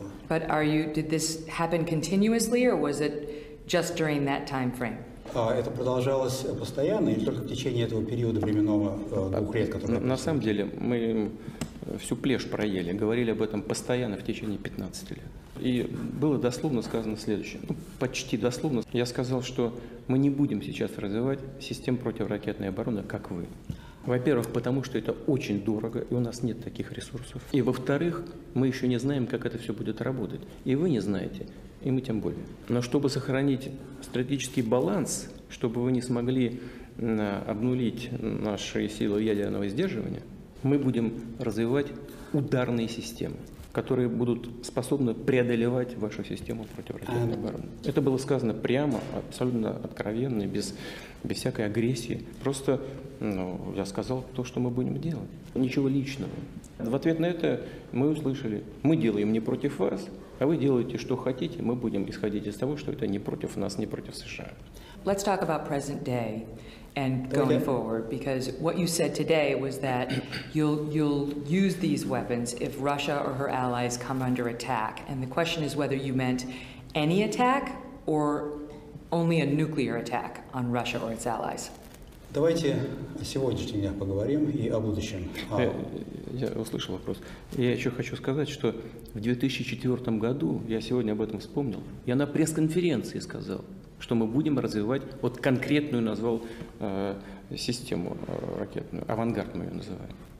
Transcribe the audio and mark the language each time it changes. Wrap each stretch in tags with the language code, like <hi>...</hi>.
<en>But are you, did this happen continuously, or was it just during that time frame?</en> <ru>Это продолжалось постоянно или только в течение этого периода временного двух лет, который... На самом деле, мы всю плешь проели, говорили об этом постоянно в течение 15 лет. И было дословно сказано следующее, ну, почти дословно. Я сказал, что мы не будем сейчас развивать систему противоракетной обороны, как вы. Во-первых, потому что это очень дорого, и у нас нет таких ресурсов. И во-вторых, мы еще не знаем, как это все будет работать. И вы не знаете, и мы тем более. Но чтобы сохранить стратегический баланс, чтобы вы не смогли обнулить наши силы ядерного сдерживания, мы будем развивать ударные системы, которые будут способны преодолевать вашу систему противоракетной обороны. Это было сказано прямо, абсолютно откровенно, без всякой агрессии. Просто, ну, я сказал то, что мы будем делать. Ничего личного. В ответ на это мы услышали, мы делаем не против вас, а вы делаете, что хотите, мы будем исходить из того, что это не против нас, не против США.</ru> <en>Let's talk about present day and going forward, because what you said today was that you'll use these weapons if Russia or her allies come under attack. And the question is whether you meant any attack or only a nuclear attack on Russia or its allies.</en> <ru>Давайте о сегодняшнем дне поговорим и о будущем. Я услышал вопрос. Я еще хочу сказать, что в 2004 году, я сегодня об этом вспомнил, я на пресс-конференции сказал, что мы будем развивать вот конкретную, назвал, систему ракетную, «Авангард» мы ее называем.</ru>